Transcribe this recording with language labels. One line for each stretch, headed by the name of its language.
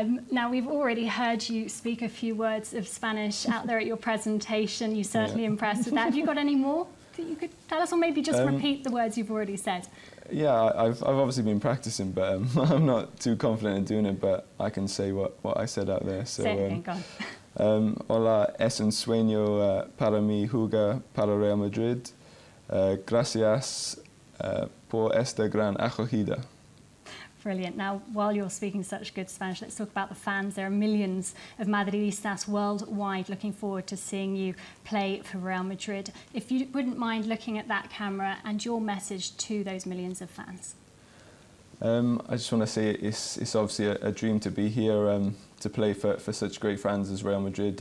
English: Now, we've already heard you speak a few words of Spanish out there at your presentation. You certainly impressed with that. Have you got any more that you could tell us, or maybe just repeat the words you've already said? Yeah, I've obviously been practicing, but I'm not too confident in doing it, but I can say what I said out there. So, thank God.
Spanish: Hola, es un sueño para mí jugar para Real Madrid. Gracias por esta gran acogida.
English: Brilliant. Now, while you're speaking such good Spanish, let's talk about the fans. There are millions of Madridistas worldwide looking forward to seeing you play for Real Madrid. If you wouldn't mind looking at that camera and your message to those millions of fans. I just want to say it's obviously a dream to be here, to play for such great fans as Real Madrid.